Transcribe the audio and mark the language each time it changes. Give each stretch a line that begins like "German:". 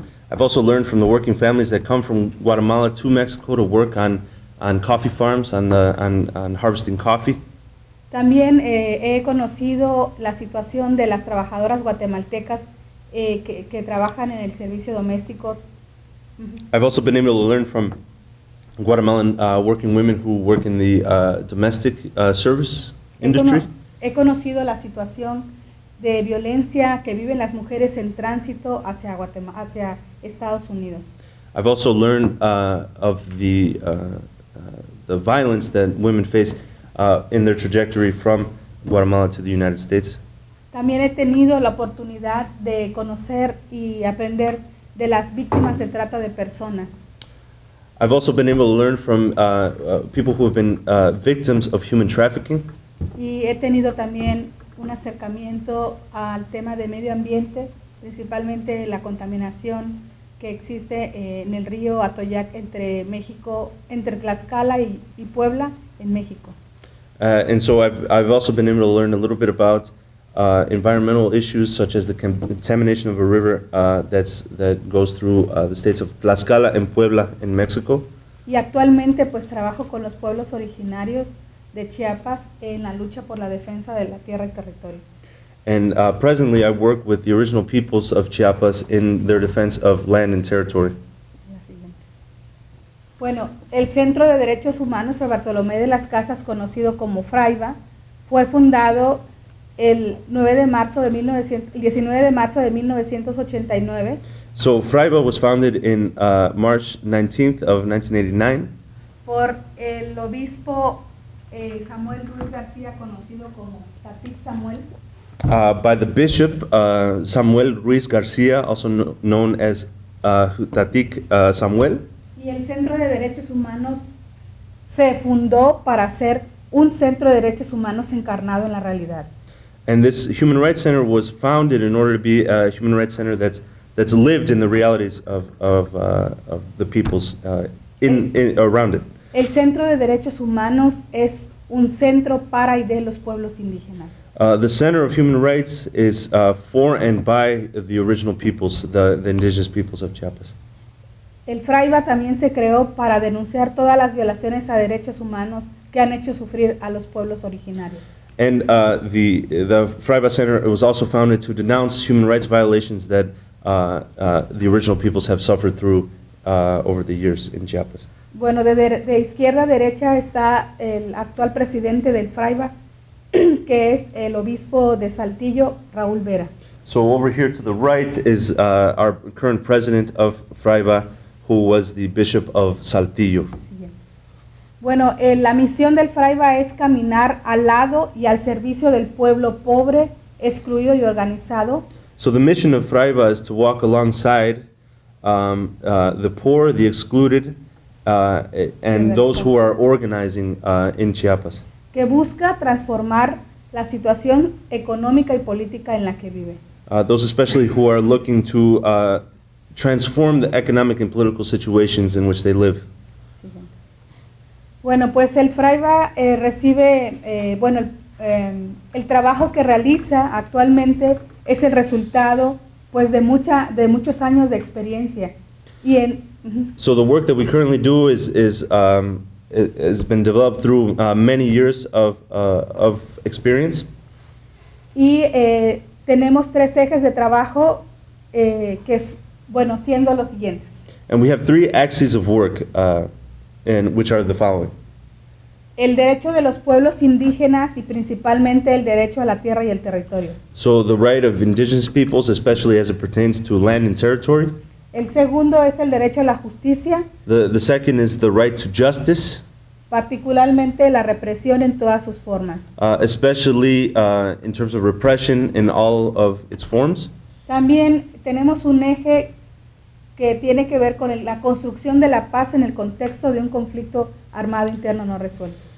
English: I've also learned from the working families that come from Guatemala to Mexico to work on coffee farms on harvesting coffee.
Spanish: También he conocido la situación de las trabajadoras guatemaltecas que trabajan en el servicio doméstico.
English: I've also been able to learn from Guatemalan working women who work in the domestic service industry.
Spanish: He conocido la situación de violencia que viven las mujeres en tránsito hacia Guatemala, hacia Estados Unidos.
English: I've also learned of the violence that women face in their trajectory from Guatemala to the United States.
Spanish: También he tenido la oportunidad de conocer y aprender de las víctimas de trata de personas.
English: I've also been able to learn from people who have been victims of human trafficking.
Spanish: Y he tenido también un acercamiento al tema de medio ambiente, principalmente la contaminación que existe en el río Atoyac entre México, entre Tlaxcala y Puebla en México.
English: And so I've also been able to learn a little bit about environmental issues such as the contamination of a river that goes through the states of Tlaxcala and Puebla in Mexico.
Spanish: Y actualmente pues trabajo con los pueblos originarios de Chiapas en la lucha por la defensa de la tierra y territorio.
English: And presently I work with the original peoples of Chiapas in their defense of land and territory.
Spanish: Bueno, el Centro de Derechos Humanos Fray Bartolomé de las Casas, conocido como FRAIBA, fue fundado el 19 de marzo de 1989.
English: So FRAIBA was founded in March 19th of 1989.
Spanish: Por el obispo Samuel Ruiz García, conocido como Tatip Samuel.
English: By the bishop Samuel Ruiz García, also known as Tatip Samuel.
Spanish: Y el Centro de Derechos Humanos se fundó para ser un centro de derechos humanos encarnado en la realidad.
English: And this Human Rights Center was founded in order to be a human rights center that's lived in the realities of the peoples in around it.
Spanish: El Centro de Derechos Humanos es un centro para y de los pueblos indígenas.
English: The Center of Human Rights is for and by the original peoples, the indigenous peoples of Chiapas.
Spanish: El FRAIBA también se creó para denunciar todas las violaciones a derechos humanos que han hecho sufrir a los pueblos originarios.
English: And the FRAIBA Center was also founded to denounce human rights violations that the original peoples have suffered through over the years in Chiapas.
Spanish: Bueno, de izquierda a derecha está el actual presidente del FRAIBA, que es el obispo de Saltillo, Raúl Vera.
English: So over here to the right is our current president of FRAIBA, who was the Bishop of Saltillo.
Spanish: Bueno, la misión del FRAIBA es caminar al lado y al servicio del pueblo pobre, excluido y organizado.
English: So the mission of FRAIBA is to walk alongside the poor, the excluded, and those who are organizing in Chiapas.
Spanish: Que busca transformar la situación económica y política en la que vive.
English: Those especially who are looking to transform the economic and political situations in which they live.
Spanish: Bueno, pues el FRAIBA recibe, bueno, el trabajo que realiza actualmente es el resultado, pues, de muchos años de experiencia. Y en,
English: So the work that we currently do has been developed through many years of experience.
Spanish: Y tenemos tres ejes de trabajo que es, bueno, siendo los siguientes.
English: And we have three axes of work, and which are the following.
Spanish: El derecho de los pueblos indígenas y principalmente el derecho a la tierra y el territorio.
English: So the right of indigenous peoples, especially as it pertains to land and territory.
Spanish: El segundo es el derecho a la justicia.
English: The second is the right to justice.
Spanish: Particularmente la represión en todas sus formas.
English: Especially in terms of repression in all of its forms.
Spanish: También tenemos un eje que tiene que ver con la construcción de la paz en el contexto de un conflicto armado interno no resuelto.